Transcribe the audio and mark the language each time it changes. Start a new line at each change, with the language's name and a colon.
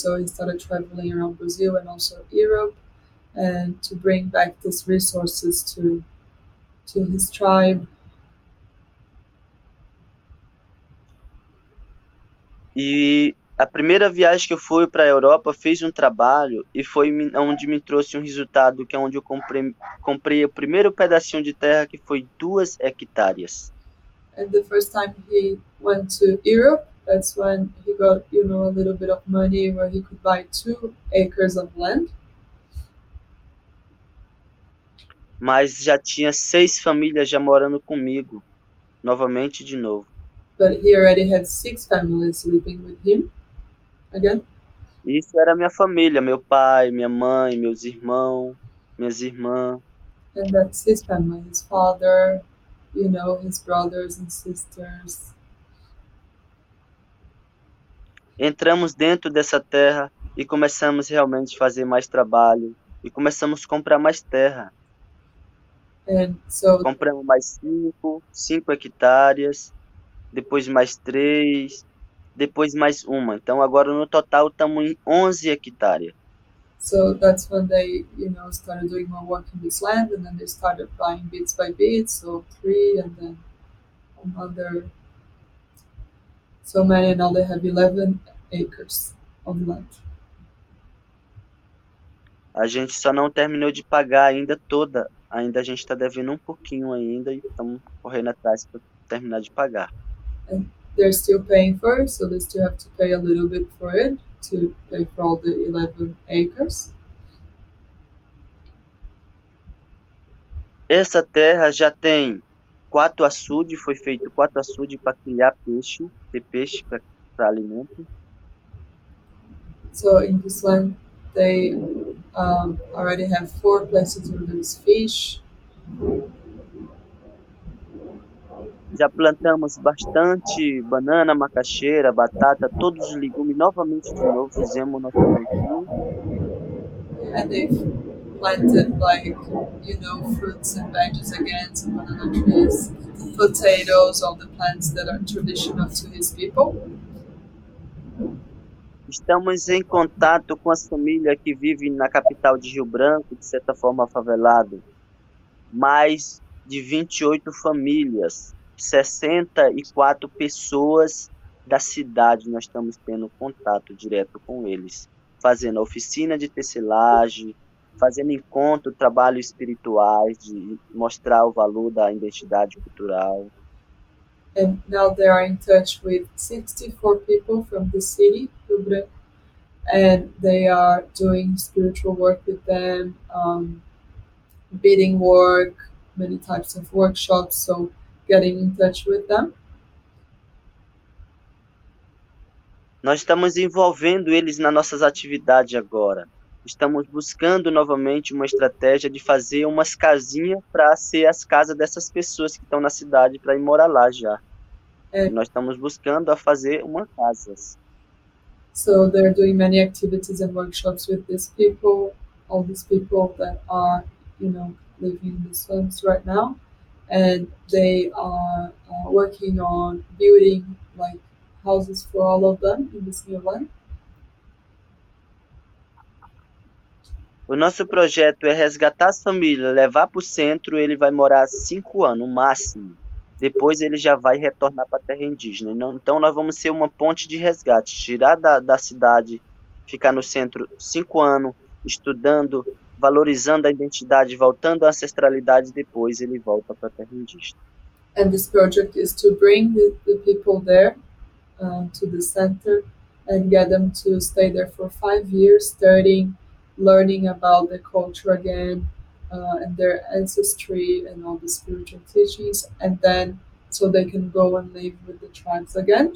English: So he started traveling around Brazil and also Europe, and to bring back these resources to his tribe.
Portuguese: E a primeira viagem que eu fui para a Europa, fiz um trabalho e foi onde me trouxe um resultado, que é onde eu comprei o primeiro pedacinho de terra, que foi 2 hectares.
English: And the first time he went to Europe, that's when he got, a little bit of money where he could buy 2 acres of land.
Portuguese: Mas já tinha 6 famílias já morando comigo, novamente de novo.
English: But he already had 6 families living with him again.
Portuguese: Isso era minha família, meu pai, minha mãe, meus irmãos, minhas irmãs.
English: And that's his family, his father. His brothers and sisters.
Portuguese: Entramos dentro dessa terra e começamos realmente a fazer mais trabalho e começamos a comprar mais terra.
English: And so
Portuguese: Compramos mais 5 hectares, depois mais 3. Depois mais uma. Então agora no total estamos em 11 hectares.
English: that's when they, started doing more work in this land, and then they started buying bits by bits, so 3, and then another so many, and now they have 11 acres of land.
Portuguese: A gente só não terminou de pagar ainda toda. Ainda a gente está devendo um pouquinho ainda e estamos correndo atrás para terminar de pagar.
English: And they're still paying for it, so they still have to pay a little bit for it, to pay for all the 11 acres.
Portuguese: Essa terra já tem 4 açudes, foi feito 4 açudes para criar peixe, ter peixe para alimento.
English: So in this land, they already have 4 places where there's fish.
Portuguese: Já plantamos bastante banana, macaxeira, batata, todos os legumes, novamente de novo, fizemos nosso plantio.
English: And they've planted fruits and veggies again, some banana trees, potatoes, all the plants that are traditional to his people.
Portuguese: Estamos em contato com as famílias que vivem na capital de Rio Branco, de certa forma favelado. Mais de 28 famílias, 64 pessoas da cidade, nós estamos tendo contato direto com eles, fazendo oficina de tecelagem, fazendo encontro, trabalho espirituais, de mostrar o valor da identidade cultural.
English: And now they are in touch with 64 people from the city, Rio Branco, and they are doing spiritual work with them, beading work, many types of workshops, so getting in touch with them.
Portuguese: Nós estamos envolvendo eles nas nossas atividades agora. Estamos buscando novamente uma estratégia de fazer umas casinhas para ser as casas dessas pessoas que estão na cidade para ir morar lá já. E nós estamos buscando a fazer umas casas.
English: So they're doing many activities and workshops with these people, all these people that are, living in the slums right now, and they are working on building like houses for all of them in this new land.
Portuguese: O nosso projeto é resgatar a família, levar para o centro, ele vai morar 5 anos, no máximo. Depois ele já vai retornar para a terra indígena. Então nós vamos ser uma ponte de resgate, tirar da cidade, ficar no centro 5 anos, estudando, valorizando a identidade, voltando à ancestralidade, depois ele volta para a terra indígena.
English: And this project is to bring the people there to the center and get them to stay there for 5 years, studying, learning about the culture again, and their ancestry and all the spiritual teachings, and then so they can go and live with the tribes again.